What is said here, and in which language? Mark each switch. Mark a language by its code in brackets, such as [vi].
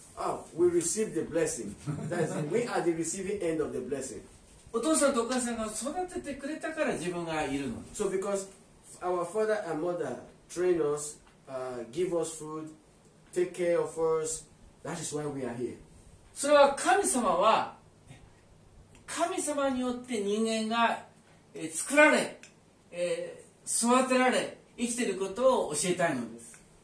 [en] Oh, we received the blessing. That's it. We are the receiving end of the blessing. [ja] お父さんとお母さんが育ててくれたから自分がいるの。 [en] So, because our father and mother train us, give us food, take care of us, that is why we are here. [ja] それは神様は神様によって人間が作られ、育てられ、生きていることを教えたいのです。